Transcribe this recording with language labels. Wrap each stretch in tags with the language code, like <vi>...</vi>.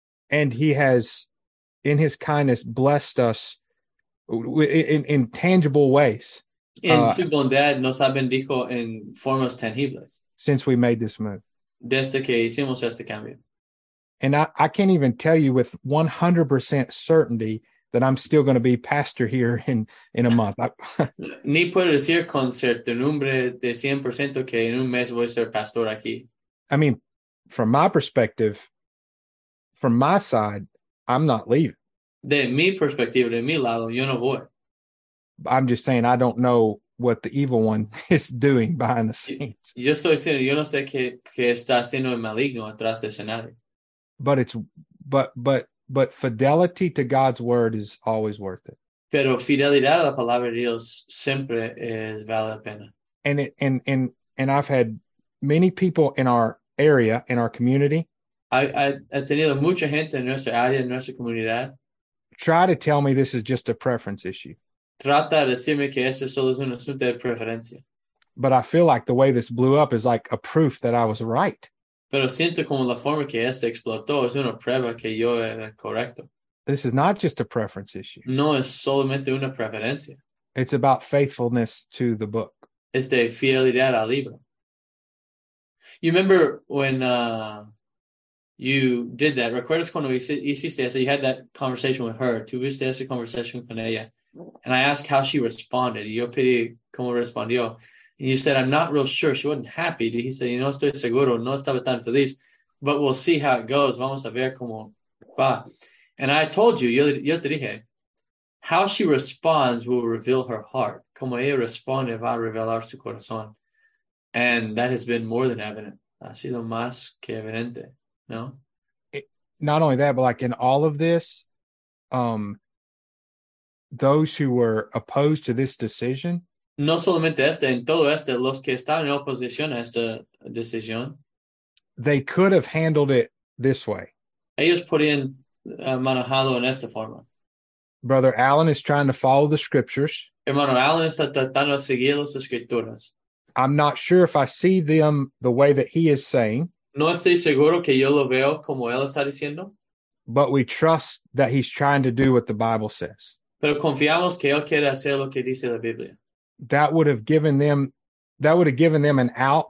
<en>And he has, in his kindness, blessed us in tangible ways.</en> <es>En su bondad nos ha bendijo en formas tangibles.</es> <en>Since we made this move.</en> <es>Desde que hicimos este cambio.</es> <en>And I can't even tell you with 100% certainty that I'm still going to be pastor here in a month.</en> <es>Ni puedo decir con certidumbre de 100% que en un mes voy a ser pastor aquí.</es> <en>I mean, from my perspective, from my side, I'm not leaving.</en> <es>De mi perspectiva, de mi lado, yo no voy.</es> <en>I'm just saying, I don't know what the evil one is doing behind the scenes.</en> <es>Yo estoy diciendo, yo no sé qué está haciendo el maligno atrás del escenario.</es> <en>But it's, but fidelity to God's word is always worth it.</en> <es>Pero fidelidad a la palabra de Dios siempre es vale la pena.</es> <en>And it, and I've had many people in our area, in our community.</en> <es>I tenido mucha gente en nuestra área, en nuestra comunidad.</es> <en>Try to tell me this is just a preference issue.</en> <es>Trata de decirme que ese solo es un asunto de preferencia.</es> <en>But I feel like the way this blew up is like a proof that I was right.</en> <es>Pero siento como la forma que este explotó es una prueba que yo era correcto.</es> <en>This is not just a preference issue.</en> <es>No es solamente una preferencia.</es> <en>It's about faithfulness to the book.</en> <es>Es de fidelidad al libro.</es> <en>You remember when you did that?</en> <es>¿Recuerdas cuando hiciste eso?</es> <en>You had that conversation with her.</en> <es>Tuviste esa conversation con ella.</es> <en>And I asked how she responded.</en> <es>Yo pedí cómo respondió.</es> <en>And you said, I'm not real sure. She wasn't happy. He said, you know,</en> <es>estoy seguro. No estaba tan feliz.</es> <en>But we'll see how it goes.</en> <es>Vamos a ver cómo va.</es> <en>And I told you,</en> <es>yo te dije,</es> <en>how she responds will reveal her heart.</en> <es>Como ella responde va a revelar su corazón.</es> <en>And that has been more than evident.</en> <es>Ha sido más que evidente, ¿no?</es> <en>Not only that, but like in all of this, those who were opposed to this decision.</en> <es>No solamente este, en todo este, los que están en oposición a esta decisión.</es> <en>They could have handled it this way.</en> <es>Ellos podían manejarlo en esta forma.</es> <en>Brother Allen is trying to follow the scriptures.</en> <es>Hermano Allen está tratando de seguir las escrituras.</es> <en>I'm not sure if I see them the way that he is saying.</en> <es>No estoy seguro que yo lo veo como él está diciendo.</es> <en>But we trust that he's trying to do what the Bible says.</en> <es>Pero confiamos que él quiere hacer lo que dice la Biblia.</es> <en>That would have given them an out.</en>